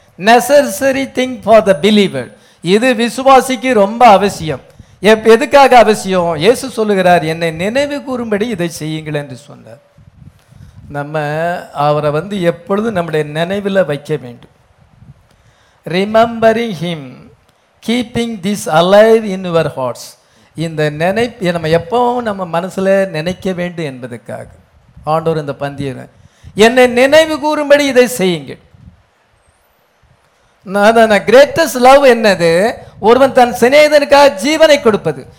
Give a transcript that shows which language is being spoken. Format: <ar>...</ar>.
<en>Necessary thing for the believer.</en> <ta>இது விசுவாசிக்கு ரொம்ப அவசியம். எதுக்காக அவசியம்? இயேசு சொல்லுகிறார், என்னை நினைவு கூறும்படி இதை செய்யுங்கள் என்று சொன்னார். நம்ம அவரை வந்து எப்பொழுதும் நம்முடைய நினைவில் வைக்க வேண்டும்.</ta> <en>Remembering him, keeping this alive in our hearts.</en> <ta>இந்த நினைப்பை நம்ம எப்பவும் நம்ம மனசில் நினைக்க வேண்டும் என்பதற்காக ஆண்டவர் இந்த பந்தியை, என்னை நினைவு கூறும்படி இதை செய்யுங்கள். கிரேட்டஸ்ட் லவ் என்னது? ஒருவன் தன் சிநேகிதனுக்காக ஜீவனை கொடுப்பது.</ta>